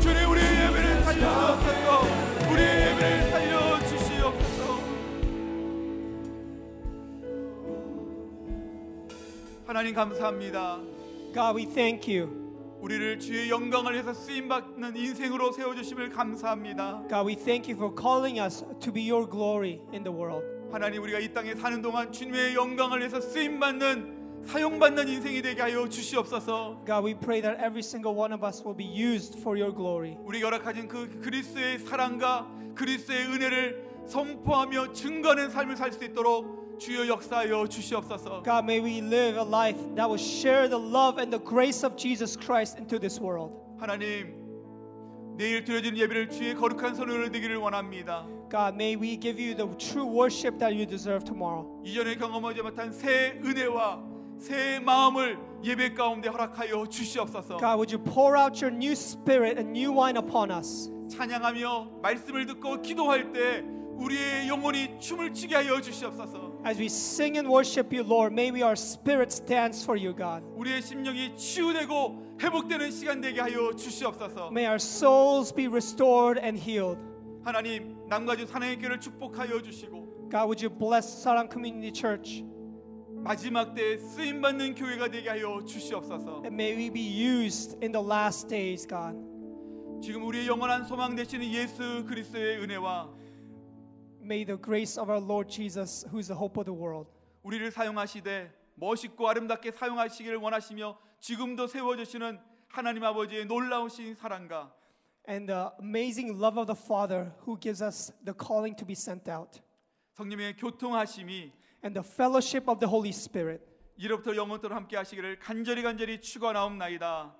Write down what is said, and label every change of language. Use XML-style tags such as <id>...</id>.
<ko>주님 우리 예배를 살려주옵소서. 우리 예배를 살려주시옵소서. 하나님 감사합니다.</ko> <en>God we thank you.</en> <ko>우리를 주의 영광을 위해서 쓰임 받는 인생으로 세워 주심을 감사합니다.</ko> <en>God, we thank you for calling us to be your glory in the world.</en> <ko>하나님 우리가 이 땅에 사는 동안 주님의 영광을 위해서 쓰임 받는 사용받는 인생이 되게 하여 주시옵소서.</ko> <en>God, we pray that every single one of us will be used for your glory.</en> <ko>우리가 허락하신 그 그리스도의 사랑과 그리스도의 은혜를 선포하며 증거하는 삶을 살 수 있도록 주여 역사하여 주시옵소서.</ko> <en>God, may we live a life that will share the love and the grace of Jesus Christ into this world.</en> <ko>하나님, 내일 드려지는 예배를 주의 거룩한 선을 드리기를 원합니다.</ko> <en>God, may we give you the true worship that you deserve tomorrow.</en> <ko>이전에 경험하지 못한 새 은혜와 새 마음을 예배 가운데 허락하여 주시옵소서.</ko> <en>God, would you pour out your new spirit and new wine upon us?</en> <ko>찬양하며 말씀을 듣고 기도할 때 우리의 영혼이 춤을 추게 하여 주시옵소서.</ko> <en>As we sing and worship you, Lord, may we our spirits dance for you, God.</en> <ko>우리의 심령이 치유되고 회복되는 시간 되게 하여 주시옵소서.</ko> <en>May our souls be restored and healed.</en> <ko>하나님, 남가주 사랑의 교회를 축복하여 주시고.</ko> <en>God, would you bless Sarang Community Church?</en> <ko>마지막 때 쓰임 받는 교회가 되게 하여 주시옵소서.</ko> <en>And may we be used in the last days, God.</en> <ko>지금 우리의 영원한 소망 되시는 예수 그리스도의 은혜와</ko> <en>May the grace of our Lord Jesus, who is the hope of the world,</en> <ko>우리를 사용하시되 멋있고 아름답게 사용하시기를 원하시며 지금도 세워주시는 하나님 아버지의 놀라우신 사랑과</ko> <en>and the amazing love of the Father, who gives us the calling to be sent out,</en> <ko>성령의 교통하심이</ko> <en>and the fellowship of the Holy Spirit,</en> <ko>이로부터 영원토록 함께하시기를 간절히 간절히 축원하옵나이다.</ko>